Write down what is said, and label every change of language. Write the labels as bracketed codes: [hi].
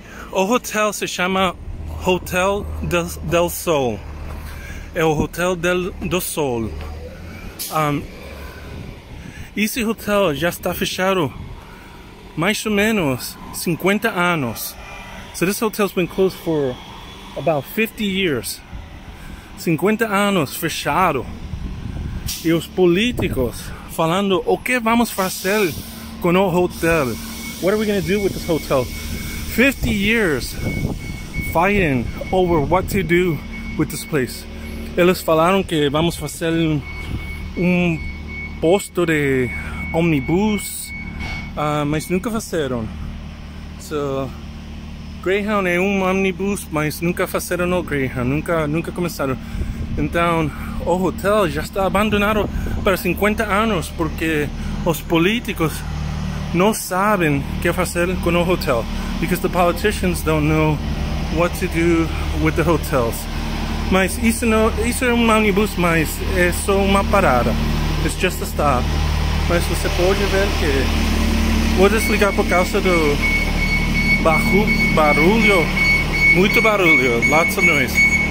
[pt] O hotel se chama Hotel del Sol. É o Hotel do Sol. Esse hotel já está fechado mais ou menos 50 anos. [en] So this hotel's been closed for about 50 years. [pt] 50 anos fechado. E os políticos falando o que vamos fazer com o hotel. [en] What are we going to do with this hotel? 50 years fighting over what to do with this place. [pt] Eles falaram que vamos fazer um posto de ônibus. Mas nunca fizeram. So, Greyhound é um ônibus, mas nunca fizeram o Greyhound. Nunca começaram. Então, o hotel já está abandonado para 50 anos porque os políticos não sabem o que fazer com o hotel. [en] Because the politicians don't know what to do with the hotels. [pt] Mas isso é um ônibus, mas é só uma parada. [en] It's just a stop. [pt] Mas você pode ver que vou desligar por causa do barulho, muito barulho, [en] lots of noise.